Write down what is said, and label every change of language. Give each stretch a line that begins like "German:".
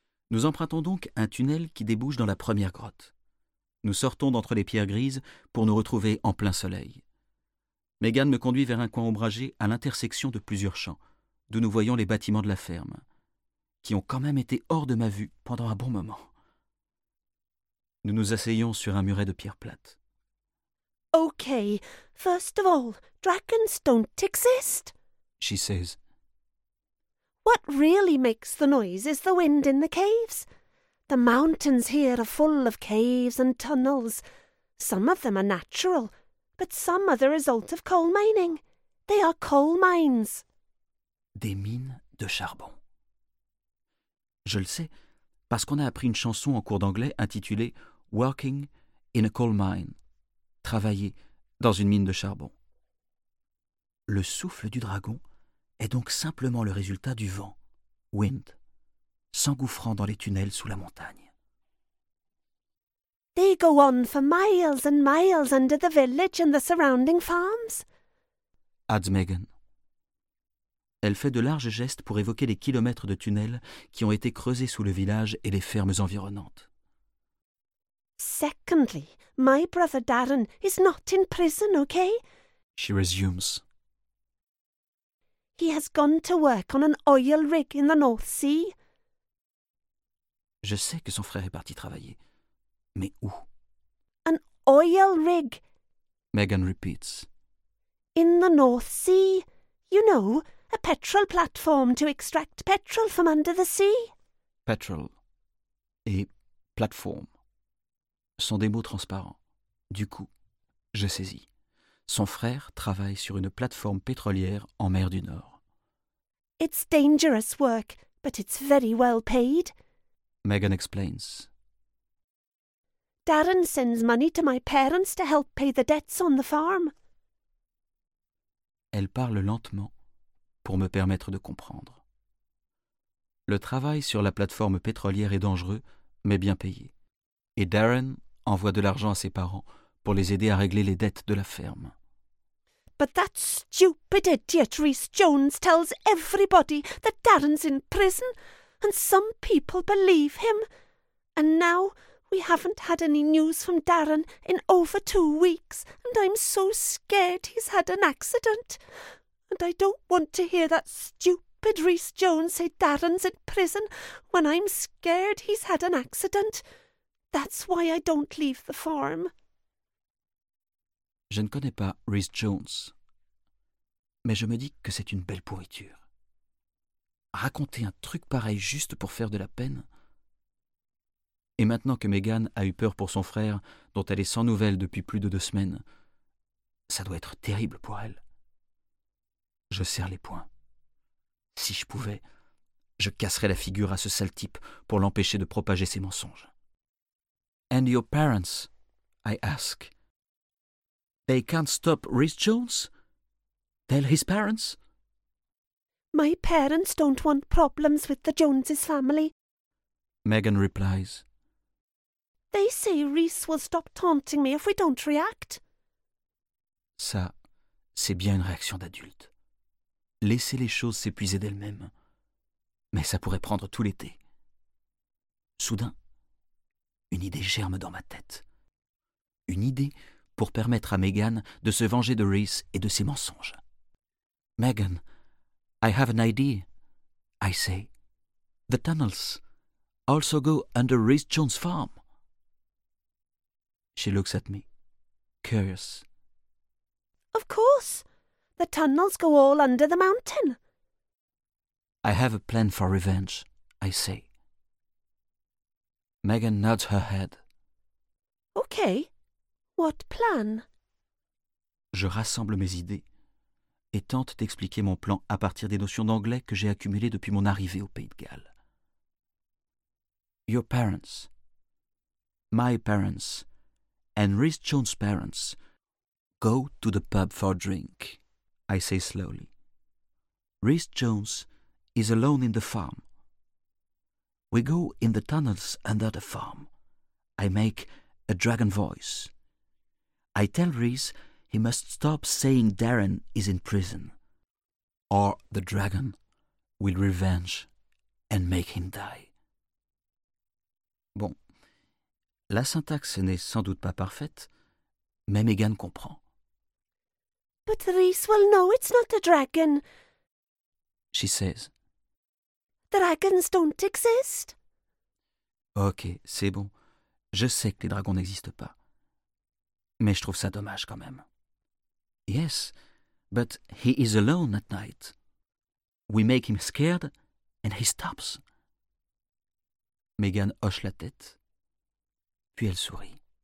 French: Nous empruntons donc un tunnel qui débouche dans la première grotte. Nous sortons d'entre les pierres grises pour nous retrouver en plein soleil. Megan me conduit vers un coin ombragé à l'intersection de plusieurs champs, d'où nous voyons les bâtiments de la ferme. qui ont quand même été hors de ma vue pendant un bon moment. Nous nous asseyons sur un muret de pierre plate.
English: Okay, first of all, dragons don't exist, she says. What really makes the noise is the wind in the caves. The mountains here are full of caves and tunnels. Some of them are natural, but some are the result of coal mining. They are coal mines.
French: Des mines de charbon. Je le sais, parce qu'on a appris une chanson en cours d'anglais intitulée
English: Working in a Coal Mine.
French: Travailler dans une mine de charbon. Le souffle du dragon est donc simplement le résultat du vent, wind, s'engouffrant dans les tunnels sous la montagne.
English: They go on for miles and miles under the village and the surrounding farms, adds Megan.
French: Elle fait de larges gestes pour évoquer les kilomètres de tunnels qui ont été creusés sous le village et les fermes environnantes.
English: Secondly, my brother Darren is not in prison, okay? She resumes. He has gone to work on an oil rig in the North Sea.
French: Je sais que son frère est parti travailler, mais où?
English: An oil rig, Megan repeats. In the North Sea, you know, a petrol platform to extract petrol from under the sea.
French: Petrol et platform sont des mots transparents. Du coup, je saisis. Son frère travaille sur une plateforme pétrolière en mer du Nord.
English: It's dangerous work, but it's very well paid, Megan explains. Darren sends money to my parents to help pay the debts on the farm.
French: Elle parle lentement pour me permettre de comprendre. Le travail sur la plateforme pétrolière est dangereux, mais bien payé. Et Darren envoie de l'argent à ses parents pour les aider à régler les dettes de la ferme.
English: But that stupid idiot Rhys Jones tells everybody that Darren's in prison, and some people believe him. And now we haven't had any news from Darren in over 2 weeks, and I'm so scared he's had an accident. And I don't want to hear that stupid Rhys Jones say Darren's in prison when I'm scared he's had an accident. That's why I don't leave the farm.
French: Je ne connais pas Rhys Jones, mais je me dis que c'est une belle pourriture. Raconter un truc pareil juste pour faire de la peine. Et maintenant que Megan a eu peur pour son frère, dont elle est sans nouvelles depuis plus de 2 semaines, ça doit être terrible pour elle. Je serre les poings. Si je pouvais, je casserais la figure à ce sale type pour l'empêcher de propager ses mensonges.
English: And your parents, I ask. They can't stop Rhys Jones? Tell his parents? My parents don't want problems with the Joneses family, Megan replies. They say Rhys will stop taunting me if we don't react.
French: Ça, c'est bien une réaction d'adulte. Laisser les choses s'épuiser d'elles-mêmes. Mais ça pourrait prendre tout l'été. Soudain, une idée germe dans ma tête. Une idée pour permettre à Megan de se venger de Rhys et de ses mensonges.
English: Megan, I have an idea, I say. The tunnels also go under Rhys Jones' farm. She looks at me, curious. Of course, the tunnels go all under the mountain. I have a plan for revenge, I say. Megan nods her head. Okay, what plan?
French: Je rassemble mes idées et tente d'expliquer mon plan à partir des notions d'anglais que j'ai accumulées depuis mon arrivée au Pays de Galles.
English: Your parents, my parents, and Rhys Jones' parents go to the pub for a drink, I say slowly. Rhys Jones is alone in the farm. We go in the tunnels under the farm. I make a dragon voice. I tell Rhys he must stop saying Darren is in prison, or the dragon will revenge and make him die.
French: Bon, la syntaxe n'est sans doute pas parfaite, mais Megan comprend.
English: But Rhys will know it's not a dragon, she says. dragons don't exist.
French: Ok, c'est bon. Je sais que les dragons n'existent pas. Mais je trouve ça dommage quand même.
English: Yes, but he is alone at night. We make him scared and he stops.
French: Megan hoche la tête, puis elle sourit.